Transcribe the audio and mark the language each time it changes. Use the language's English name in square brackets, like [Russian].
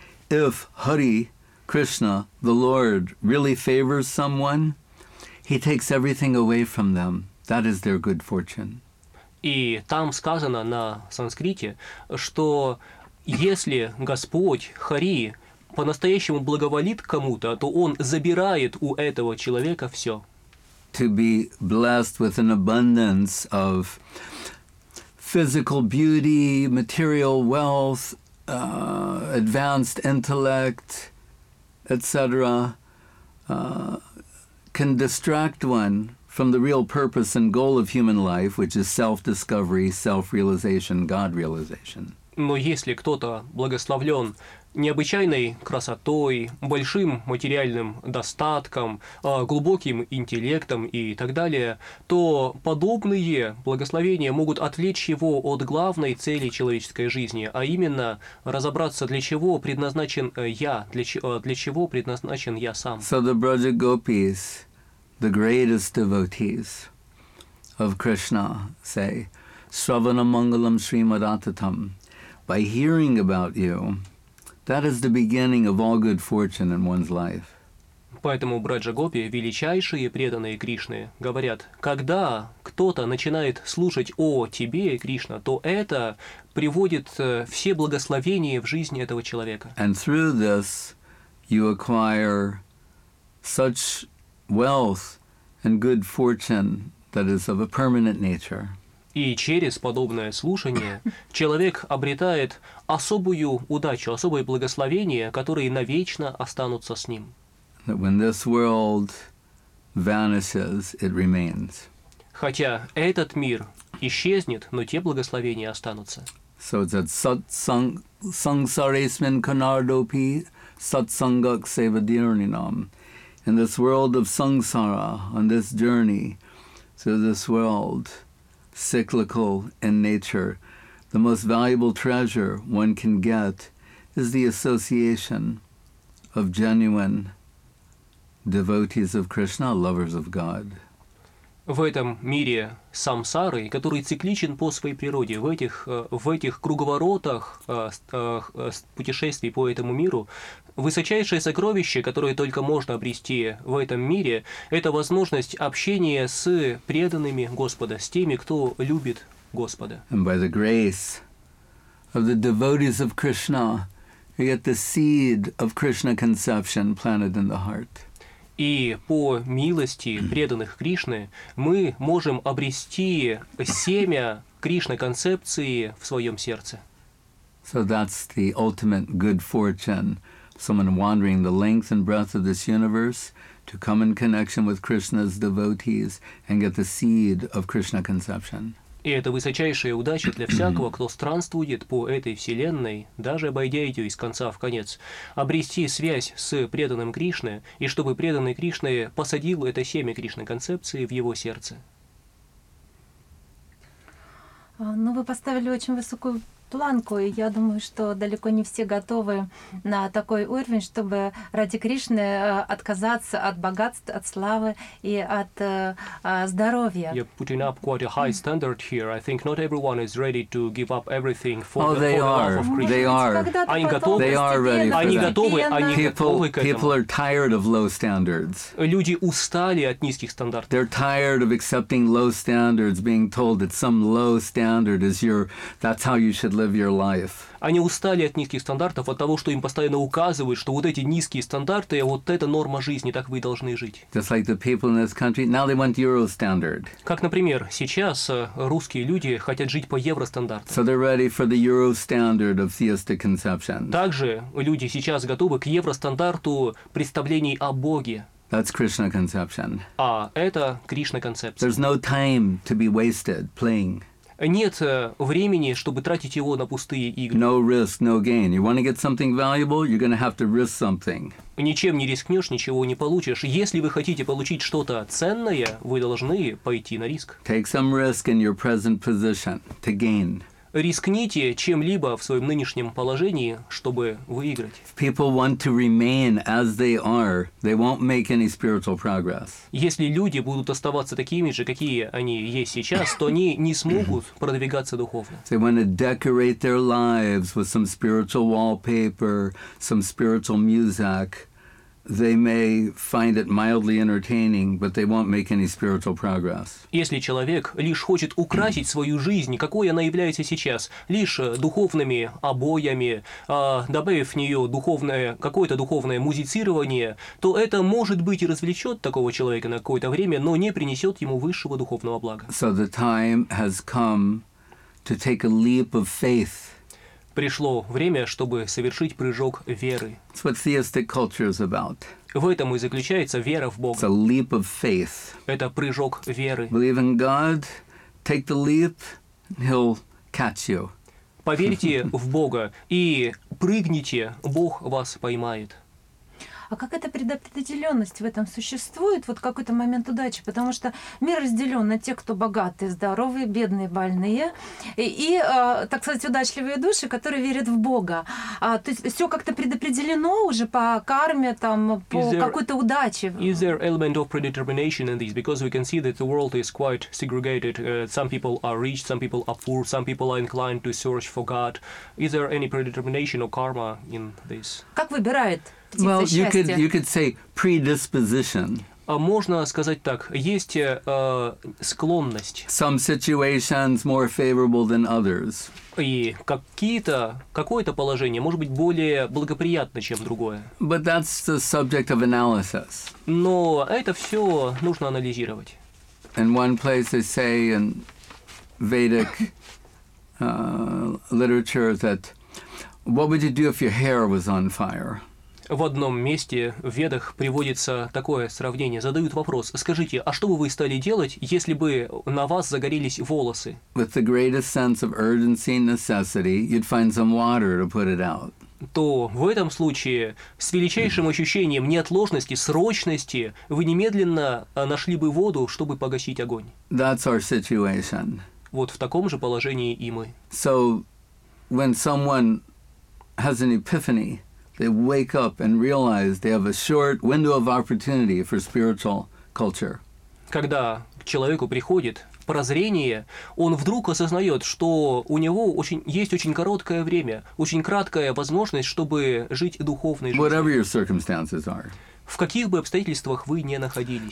[English] If Hari, Krishna, the Lord, really favors someone, he takes everything away from them. That is their good fortune. [Russian] И там сказано на санскрите, что если Господь Хари по-настоящему благоволит кому-то, то он забирает у этого человека все. [English] To be blessed with an abundance of physical beauty, material wealth, advanced intellect, etc., can distract one from the real purpose and goal of human life, which is self-discovery, self-realization, God-realization. [Russian] Но если кто-то благословлен необычайной красотой, большим материальным достатком, глубоким интеллектом и так далее, то подобные благословения могут отвлечь его от главной цели человеческой жизни, а именно разобраться, для чего предназначен я, для чего предназначен я сам. [English] So the Braja Gopis, the greatest devotees of Krishna, say, [Sanskrit] Shravana Mangalam Srimadatatam, [English] by hearing about you, that is the beginning of all good fortune in one's life. [Russian] Поэтому Браджа-гопи, величайшие преданные Кришны, говорят, когда кто-то начинает слушать о тебе, Кришна, то это приводит все благословения в жизни этого человека. [English] And through this, you acquire such wealth and good fortune that is of a permanent nature. [Russian] И через подобное слушание человек обретает особую удачу, особое благословение, которые навечно останутся с ним. [English] When this world vanishes, it remains. [Russian] Хотя этот мир исчезнет, но те благословения останутся. [English] So it's at [Sanskrit] satsang, sangsaresmin kanardopi satsangak sevadirninam. [English] In this world of samsara, on this journey through this world, cyclical in nature, the most valuable treasure one can get is the association of genuine devotees of Krishna, lovers of God. [Russian] В этом мире самсары, который цикличен по своей природе, в этих круговоротах путешествий по этому миру, высочайшее сокровище, которое только можно обрести в этом мире, это возможность общения с преданными Господа, с теми, кто любит Господа. [English] And by the grace of the devotees of Krishna, you get the seed of Krishna conception planted in the heart. [Russian] И по милости преданных Кришны мы можем обрести семя Кришна-концепции в своем сердце. [English] So that's the ultimate good fortune. Someone wandering the length and breadth of this universe to come in connection with Krishna's devotees and get the seed of Krishna conception. [Russian] И это высочайшая удача для всякого, кто странствует по этой вселенной, даже обойдя ее из конца в конец, обрести связь с преданным Кришной, и чтобы преданный Кришна посадил это семя Кришны концепции в его сердце. Ну, вы поставили очень высокую планку, и я думаю, что далеко не все готовы на такой уровень, чтобы ради Кришны отказаться от богатств, от славы и от здоровья. [English] You're putting up quite a high standard here. I think not everyone is ready to give up everything for oh, the love of Krishna. They are. [Russian] Они готовы. [English] They are ready for that. [Russian] Они готовы. Они готовы к этому. [English] People are tired of low standards. [Russian] Люди устали от низких стандартов. [English] They're tired of accepting low standards, being told that some low standard is your. That's how you should live your life. [Russian] Они устали от низких стандартов, от того, что им постоянно указывают, что вот эти низкие стандарты, вот это норма жизни, так вы и должны жить. [English] Just like the people in this country, now they want Euro standard. [Russian] Как, например, сейчас русские люди хотят жить по евростандартам. [English] So they're ready for the Euro standard of theistic conception. [Russian] Также люди сейчас готовы к евростандарту представлений о Боге. [English] That's Krishna conception. [Russian] А это Кришна концепция. [English] There's no time to be wasted playing. [Russian] нет времени, чтобы тратить его на пустые игры. [English] No risk, no gain. You want to get something valuable, you're going to have to risk something. [Russian] Ничем не рискнешь, ничего не получишь. Если вы хотите получить что-то ценное, вы должны пойти на риск. [English] Take some risk in your present position to gain. [Russian] Рискните чем-либо в своем нынешнем положении, чтобы выиграть. [English] If people want to remain as they are, they won't make any spiritual progress. [Russian] Если люди будут оставаться такими же, какие они есть сейчас, то они не смогут продвигаться духовно. [English] They want to decorate their lives with some spiritual wallpaper, some spiritual music. They may find it mildly entertaining, but they won't make any spiritual progress. [Russian] Если человек лишь хочет украсить свою жизнь, какой она является сейчас, лишь духовными обоями, добавив в нее духовное, какое-то духовное музицирование, то это может быть и развлечет такого человека на какое-то время, но не принесет ему высшего духовного блага. [English] So the time has come to take a leap of faith. [Russian] Пришло время, чтобы совершить прыжок веры. [English] It's what theistic culture is about. [Russian] В этом и заключается вера в Бога. [English] It's a leap of faith. [Russian] Это прыжок веры. [English] Believe in God, take the leap, he'll catch you. [Russian] Поверьте в Бога и прыгните, Бог вас поймает. А как эта предопределенность в этом существует, вот какой-то момент удачи? Потому что мир разделен на тех, кто богатые, здоровые, бедные, больные, и так сказать, удачливые души, которые верят в Бога. То есть все как-то предопределено уже по карме, там, по какой-то удаче. [English] Is there element of predetermination in this? Because we can see that the world is quite segregated. Some people are rich, some people are poor, some people are inclined to search for God. Is there any predetermination or karma in this? [Russian] Как выбирает? [English] Well, you could say predisposition. [Russian] Можно сказать так. Есть склонность. [English] Some situations more favorable than others. [Russian] И какое-то положение может быть более благоприятно, чем другое. [English] But that's the subject of analysis. [Russian] Но это все нужно анализировать. [English] In one place they say in Vedic literature that what would you do if your hair was on fire? [Russian] В одном месте в Ведах приводится такое сравнение. Задают вопрос: скажите, а что бы вы стали делать, если бы на вас загорелись волосы? [English] With the greatest sense of urgency and necessity, you'd find some water to put it out. [Russian] То в этом случае с величайшим ощущением неотложности, срочности, вы немедленно нашли бы воду, чтобы погасить огонь. [English] That's our situation. [Russian] Вот в таком же положении и мы. [English] So when someone has an epiphany, they wake up and realize they have a short window of opportunity for spiritual culture. [Russian] Когда к человеку приходит прозрение, он вдруг осознает, что у него есть очень короткое время, очень краткая возможность, чтобы жить духовной жизнью. [English] Whatever your circumstances are. [Russian] В каких бы обстоятельствах вы ни находились.